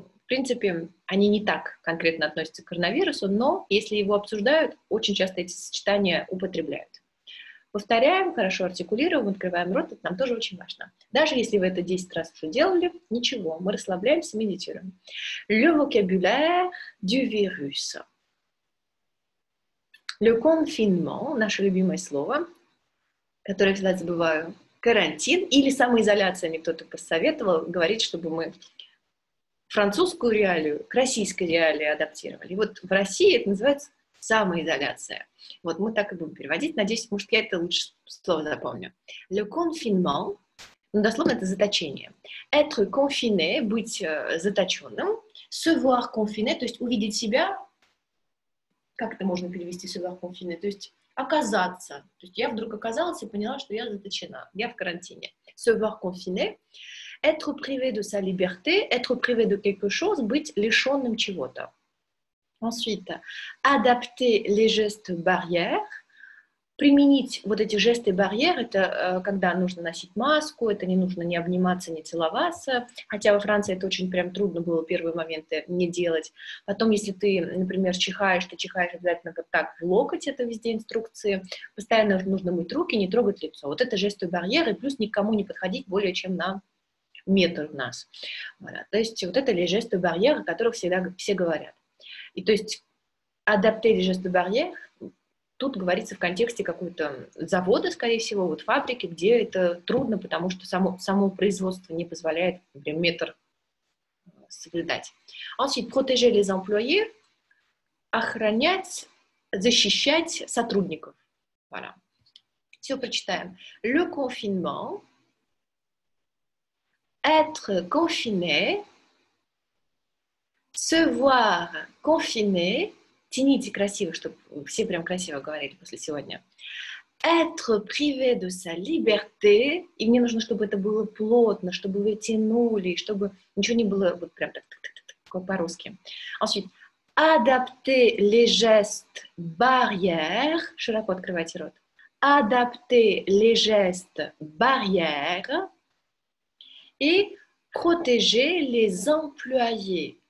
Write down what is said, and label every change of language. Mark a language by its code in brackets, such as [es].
[ru] в принципе, они не так конкретно относятся к коронавирусу, но если его обсуждают, очень часто эти сочетания употребляют. Повторяем, хорошо артикулируем, открываем рот, это нам тоже очень важно. Даже если вы это 10 раз уже делали, ничего, мы расслабляемся, медитируем. [fr] Le vocabulaire du virus. Le confinement, [ru] наше любимое слово, которое я всегда забываю, карантин или самоизоляция, мне кто-то посоветовал, говорит, чтобы мы французскую реалию к российской реалии адаптировали. Вот в России это называется самоизоляция. Вот мы так и будем переводить. Надеюсь, может, я это лучше слово запомню. [fr] Le confinement, [ru] ну, дословно, это заточение. [fr] Être confiné, [ru] быть заточенным. [fr] Se voir confiné, [ru] то есть увидеть себя. Как это можно перевести, [fr] se voir confiné? [ru] То есть оказаться. То есть я вдруг оказалась и поняла, что я заточена. Я в карантине. [fr] Se voir confiné. Être privé de sa liberté, être privé de quelque chose, [ru] быть лишенным чего-то. [fr] Ensuite, adapter les gestes barrières. [ru] Применить вот эти жесты барьер, это когда нужно носить маску, это не нужно ни обниматься, ни целоваться. Хотя во Франции это очень прям трудно было первые моменты не делать. Потом, если ты, например, чихаешь, ты чихаешь обязательно вот так в локоть, это везде инструкции. Постоянно нужно мыть руки, не трогать лицо. Вот это жесты барьеры, плюс никому не подходить более чем на метр у нас. [fr] Voilà. [ru] То есть вот это [fr] les gestes barrières, [ru] о которых всегда все говорят. И то есть [fr] adapter les gestes barrières, [ru] тут говорится в контексте какого-то завода, скорее всего, вот фабрики, где это трудно, потому что само производство не позволяет, например, метр соблюдать. [fr] Ensuite, protéger les employés, [ru] охранять, защищать сотрудников. [fr] Voilà. [ru] Все прочитаем. [fr] Le confinement. Être confiné, se voir confiné, [ru] тяните красиво, чтобы все прям красиво говорили после сегодня. [fr] Être privé de sa liberté, [ru] и мне нужно, чтобы это было плотно, чтобы вы тянули, чтобы ничего не было вот прям так по-русски. [fr] Ensuite, adapter les gestes barrières, [ru] широко открывайте рот. [fr] Adapter les gestes barrières. Et protéger les employés.